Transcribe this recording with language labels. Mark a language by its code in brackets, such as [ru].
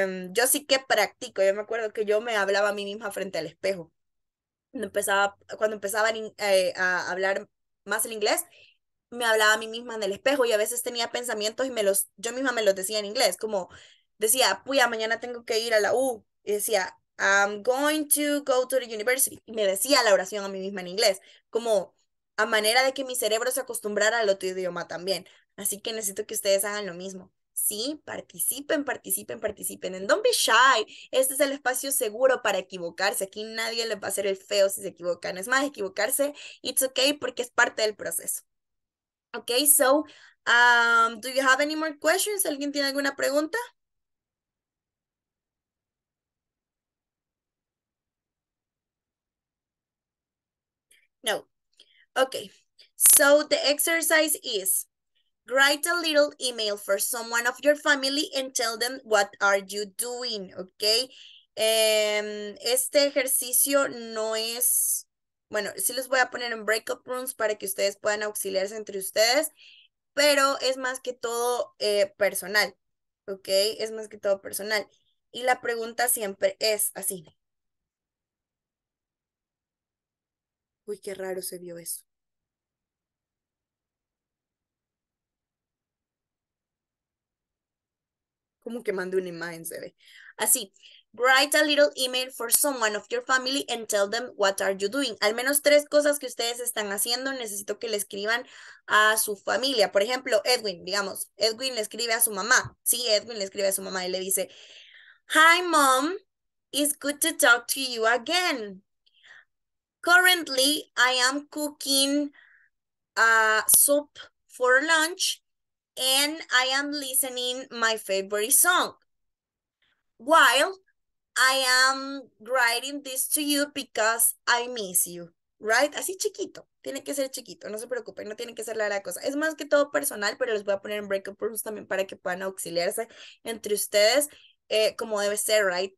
[es] Yo sí que practico. Yo me acuerdo que yo me hablaba a mí misma frente al espejo. Cuando empezaba a hablar más el inglés, me hablaba a mí misma en el espejo y a veces tenía pensamientos y yo misma me los decía en inglés. Como decía, puya, mañana tengo que ir a la U. Y decía, [en] I'm going to go to the university. [es] Y me decía la oración a mí misma en inglés. Como a manera de que mi cerebro se acostumbrara al otro idioma también. Así que necesito que ustedes hagan lo mismo. Sí, participen, participen, participen. [en] And don't be shy. [es] Este es el espacio seguro para equivocarse. Aquí nadie les va a hacer el feo si se equivocan. Es más, equivocarse, [en] it's okay, [es] porque es parte del proceso. [en] Okay, so, do you have any more questions? [es] ¿Alguien tiene alguna pregunta? [en] No. Okay, so the exercise is write a little email for someone of your family and tell them what are you doing, okay? [es] Este ejercicio no es, bueno, sí les voy a poner en breakout rooms para que ustedes puedan auxiliarse entre ustedes, pero es más que todo personal, okay? Es más que todo personal. Y la pregunta siempre es así. Uy, qué raro se vio eso. Como que mandé una imagen, se ve. [en] Así, write a little email for someone of your family and tell them what are you doing. [es] Al menos tres cosas que ustedes están haciendo, necesito que le escriban a su familia. Por ejemplo, Edwin, digamos, Edwin le escribe a su mamá. Sí, Edwin le escribe a su mamá y le dice, [en] hi mom, it's good to talk to you again. Currently, I am cooking a soup for lunch and I am listening my favorite song while I am writing this to you because I miss you, right? [es] Así chiquito, tiene que ser chiquito, no se preocupen, no tiene que ser la gran cosa. Es más que todo personal, pero les voy a poner en breakout rooms también para que puedan auxiliarse entre ustedes, como debe ser, right?